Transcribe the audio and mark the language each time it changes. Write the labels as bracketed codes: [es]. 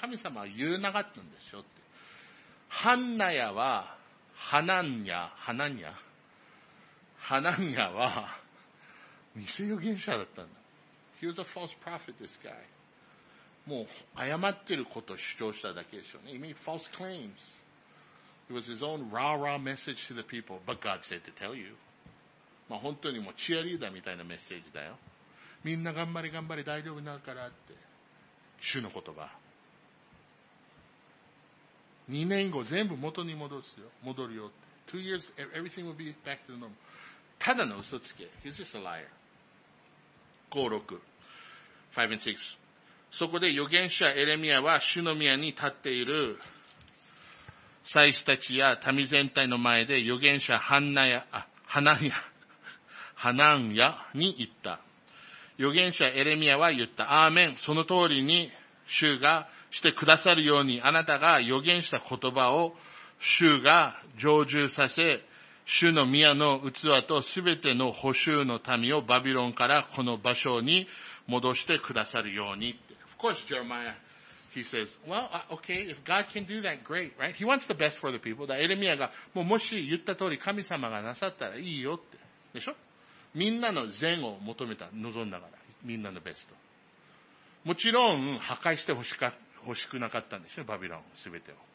[ja] 神様は言えなかったんでしょって。ハンナヤは、ハナンヤ、ハナンヤ。ハナンヤは、偽予言者だったんだ。 [en] He was a false prophet, this guy. [ja] もう、誤ってることを主張しただけでしょうね。 [en] He made false claims. It was his own rah-rah message to the people. But God said to tell you. [ja] まあ、本当にもうチアリーダーみたいなメッセージだよ。みんな頑張れ頑張れ大丈夫になるからって。主の言葉。2年後全部元に戻すよ。戻るよって。 [en] 2 years, everything will be back to the normal. [ja] ただの嘘つけ。 [en] He's just a liar. 5、6。5 and 6. [ja] そこで預言者エレミアは主の宮に立っている祭司たちや民全体の前で預言者ハナンヤに言った。預言者エレミアは言った。アーメン。その通りに主がしてくださるようにあなたが預言した言葉を主が成就させ、主の宮の器とすべての捕囚の民をバビロンからこの場所に戻してくださるように。 [en] Of course, Jeremiah, he says, well, okay, if God can do that, great, right? He wants the best for the people. [ja] エレミアが、もうもし言った通り神様がなさったらいいよって。でしょ? みんなの善を求めた、望んだから。みんなのベスト。もちろん、破壊して欲しくなかったんでしょ、バビロンすべてを。